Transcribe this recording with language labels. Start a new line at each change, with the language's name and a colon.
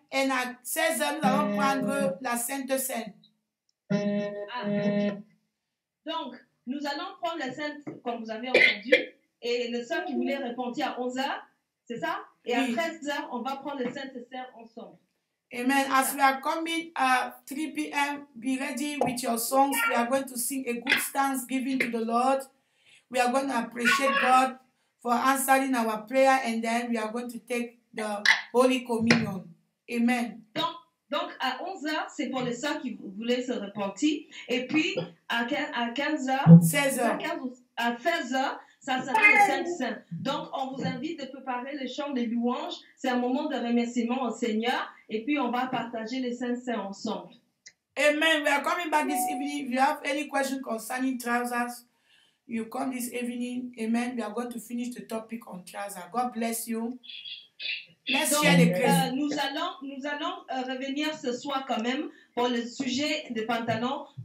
French: Et à 16 heures, nous allons prendre la Sainte Cène. Donc, nous allons prendre la Sainte, comme vous avez entendu, et le sœur qui voulait répondre à 11 heures, c'est ça? Et à 13 heures, on va prendre la Sainte Cène ensemble. Amen.
English: As we are coming at 3 p.m., be ready with your songs. We are going to sing a good thanksgiving to the Lord. We are going to appreciate God for answering our prayer, and then we are going to take the Holy Communion. Amen.
French: Donc à 11 heures, c'est pour les sœurs qui voulaient se repentir. Et puis, à 15 heures, 16 heures. À 16 heures, ça sera le Saint-Saint. Donc, on vous invite de préparer le chant des louanges. C'est un moment de remerciement au Seigneur. Et puis, on va partager les Saint-Saint ensemble.
English: Amen. We are coming back this evening. If you have any questions concerning trousers, you come this evening. Amen. We are going to finish the topic on trousers. God bless you.
French: Donc, nous allons revenir ce soir quand même pour le sujet des pantalons.